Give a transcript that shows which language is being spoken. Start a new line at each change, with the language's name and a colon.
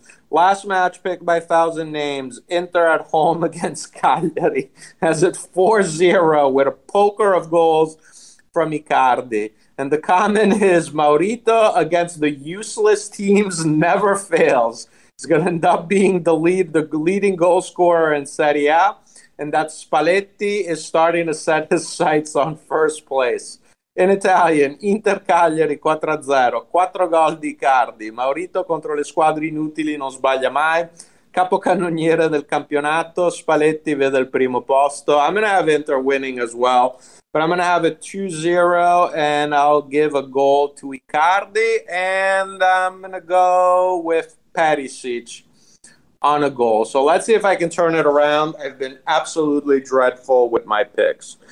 English: Last match picked by Thousand Names, Inter at home against Cagliari, has it 4-0 with a poker of goals from Icardi. And the comment is, Maurito against the useless teams never fails. He's going to end up being the leading goal scorer in Serie A, and that Spalletti is starting to set his sights on first place. In Italian,
Italian: Inter-Cagliari 4-0, 4 gol di Icardi, Maurito contro le squadre inutili non sbaglia mai, capocannoniere del campionato, Spalletti vede il primo posto.
English: I'm going to have Inter winning as well, but I'm going to have a 2-0 and I'll give a goal to Icardi, and I'm going to go with Perisic on a goal. So let's see if I can turn it around. I've been absolutely dreadful with my picks.